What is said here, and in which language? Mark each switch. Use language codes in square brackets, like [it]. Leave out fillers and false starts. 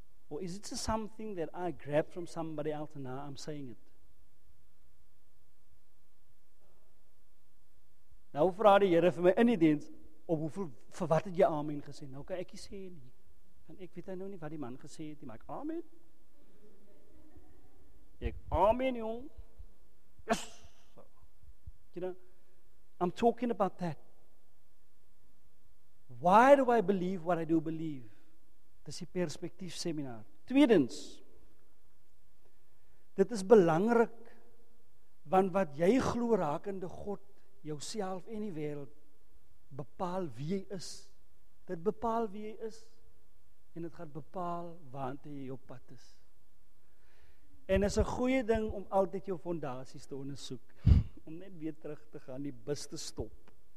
[en] Or is it something that I grabbed from somebody else and now I'm saying it? [af] Nou vraag die Here vir my in die diens, op hoeveel, vir wat het jy amen gesê? Nou kan ek nie sê nie. En ek weet nou nie wat die man gesê het, die maak amen. Ek amen jong. [en] Yes. So, you know, I'm talking about that. Why do I believe what I do believe? [af] Dis die perspektief seminar. Tweedens, dit is belangrik, want wat jy glo rakende God, jouself en die wereld, bepaal wie jy is. Dit bepaal wie jy is, en het gaat bepaal waarna jy op pad is. En is een goeie ding om altijd jou fondaties te ondersoek, om net weer terug te gaan, die bus te stop.